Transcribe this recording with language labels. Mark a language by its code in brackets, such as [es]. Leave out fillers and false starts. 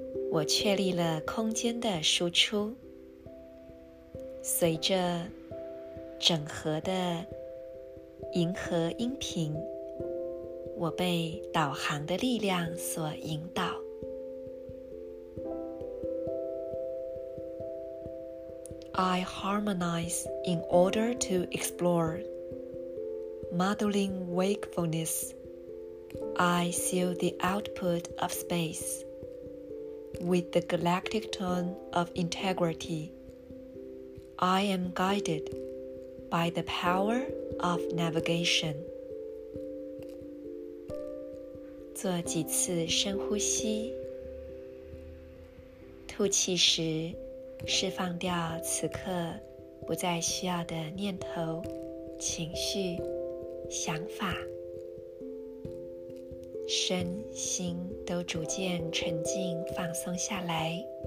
[zh] 我确立了空间的输出，随着整合的银河音频，我被导航的力量所引导。 [en] I harmonize in order to explore modeling wakefulness. I seal the output of space. With the galactic tone of integrity, I am guided by the power of navigation. [zh] 做几次深呼吸，吐气时释放掉此刻不再需要的念头、情绪、想法，身心都逐渐沉静放松下来。